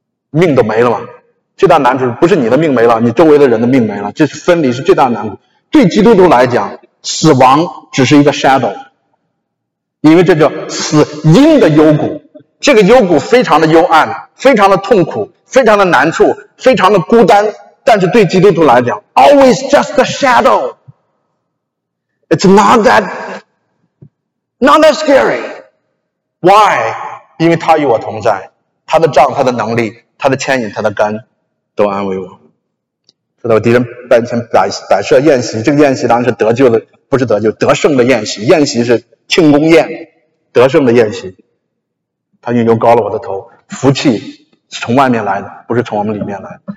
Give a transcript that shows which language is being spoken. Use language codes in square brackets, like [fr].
[zh] 命都没了嘛，最大难处不是你的命没了，你周围的人的命没了，这是分离，是最大的难处。对基督徒来讲，死亡只是一个 shadow， 因为这叫死荫的幽谷，这个幽谷非常的幽暗，非常的痛苦，非常的难处，非常的孤单。但是对基督徒来讲 ， [en] always just a shadow， it's not that scary， why？ [zh] 因为他与我同在。他的杖、他的能力、他的牵引、他的杆都安慰我。说到敌人面前摆设宴席，这个宴席当然是得救的，不是得救，得胜的宴席。宴席是庆功宴，得胜的宴席。他用油膏了我的头，福气是从外面来的，不是从我们里面来。